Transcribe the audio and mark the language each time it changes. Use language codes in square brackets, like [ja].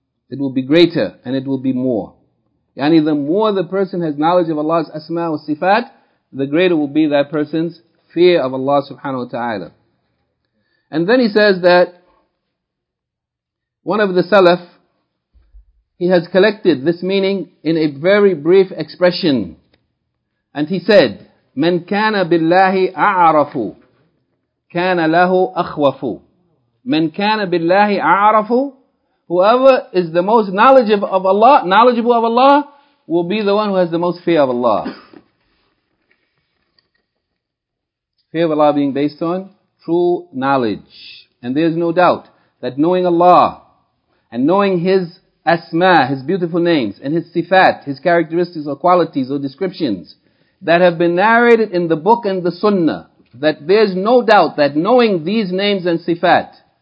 [en] It will be greater and it will be more. Yani the more the person has knowledge of Allah's asma wa sifat, the greater will be that person's fear of Allah subhanahu wa ta'ala. And then he says that one of the salaf, he has collected this meaning in a very brief expression. [ar] And he said, مَنْ كَانَ بِاللَّهِ أَعْرَفُ كَانَ لَهُ أَخْوَفُ. مَنْ كَانَ بِاللَّهِ أَعْرَفُ. [en] Whoever is the most knowledgeable of Allah, will be the one who has the most fear of Allah. Fear of Allah being based on true knowledge. And there is no doubt that knowing Allah and knowing His asma, His beautiful names, and His sifat, His characteristics or qualities or descriptions that have been narrated in the book and the sunnah, that there is no doubt that knowing these names and sifat,